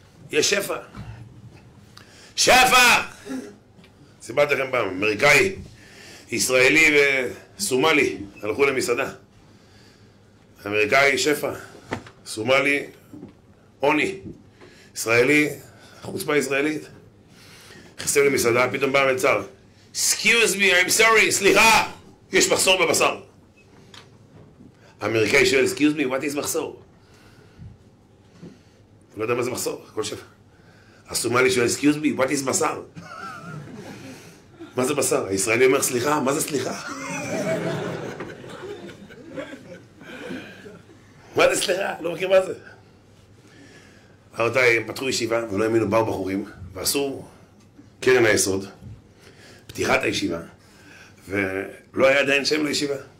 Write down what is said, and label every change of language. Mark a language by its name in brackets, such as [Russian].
[Hebrew] יש שפע. שפע! סיפרתי לכם פעם, אמריקאי, ישראלי וסומלי, הלכו למסעדה. אמריקאי, שפע. סומלי, עוני. ישראלי, חוצפה ישראלית. נכנסים למסעדה, פתאום בא המלצר. [English] Excuse me, I'm sorry, [Hebrew] סליחה! יש מחסור בבשר. האמריקאי שואל, [English] Excuse me, what is [Hebrew] מחסור? הוא לא יודע מה זה מחסור, הכל שפע. הסומלי שואל, [English] Excuse me, what is [Hebrew] בשר? מה זה בשר? הישראלי אומר, סליחה, מה זה סליחה? מה זה סליחה? לא מכיר מה זה. הרותיי, הם פתחו ישיבה, ולא האמינו, באו בחורים, ועשו קרן היסוד, פתיחת הישיבה, ולא היה עדיין שם לישיבה.